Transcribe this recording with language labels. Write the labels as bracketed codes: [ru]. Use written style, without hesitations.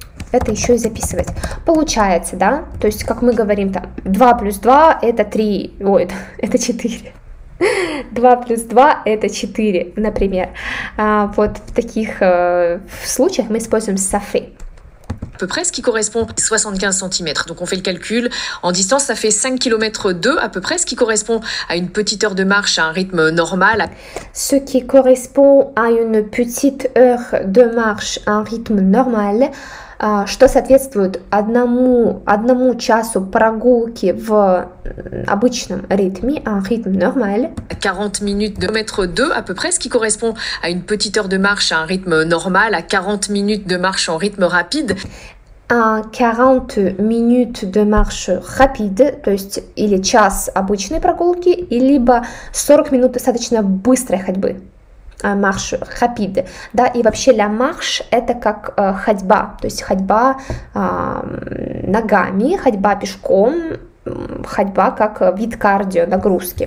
[ru] Это еще и записывать. Получается, да? То есть, как мы говорим там, 2 плюс 2 это 3, ой, это 4. 2 плюс 2 это 4, например. Вот в таких случаях мы используем софы. [fr] à peu près, ce qui correspond à 75 cm. Donc on fait le calcul. En distance, ça fait 5 km 2 à peu près, ce qui correspond à une petite heure de marche à un rythme normal. Ce qui correspond à une petite heure de marche à un rythme normal. [ru] Что соответствует одному часу прогулки в обычном ритме, [fr] un rythme normal. 40 minutes de mètre 2 à peu près, ce qui correspond à une petite heure de marche à un rythme normal, à 40 minutes de marche en rythme rapide. À 40 minutes de marche rapide, [ru] то есть или час обычной прогулки, либо 40 минут достаточно быстрой ходьбы. [fr] Marche rapide. [ru] Да, и вообще la marche, это как ходьба, то есть ходьба ногами, ходьба пешком, ходьба как вид кардио, нагрузки.